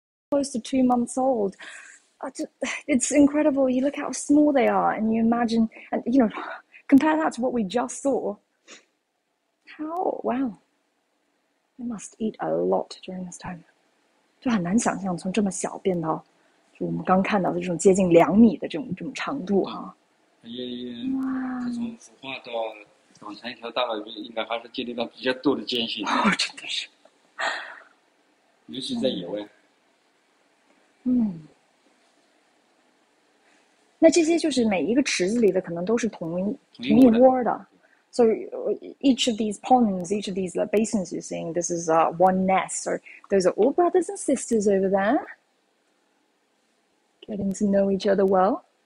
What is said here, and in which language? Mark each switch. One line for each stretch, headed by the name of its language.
English: Close to 2 months old. It's incredible. You look how small they are, and you imagine, and compare that to what we just saw. How? Wow. They must eat a lot during this time.
Chinese: 就很难想象从这么小变到，就我们刚看到的这种接近2米的这种长度对，哈。它从孵化到长成一条大鳄鱼，应该还是经历了比较多的艰辛，哇！哦，真的是。尤其在野外。那这些就是每一个池子里的，可能都是同一同一窝的，窝的，
English: So each of these ponds, each of these basins you're seeing, this is one nest. So those are all brothers and sisters over there, getting to know each other well.